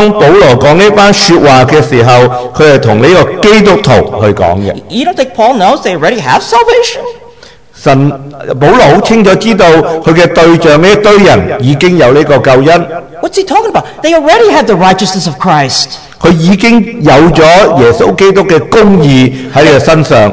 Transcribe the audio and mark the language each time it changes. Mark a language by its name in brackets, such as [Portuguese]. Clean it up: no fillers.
[Chinese] 我想你留意的话,当保罗讲这番说话的时候, [English] You don't think Paul knows they already have salvation? [Chinese] 保罗很清楚知道他的对象这堆人已经有这个救恩。 [English] What's he talking about? They already have the righteousness of Christ. [Chinese] 他已经有了耶稣基督的公义在他身上。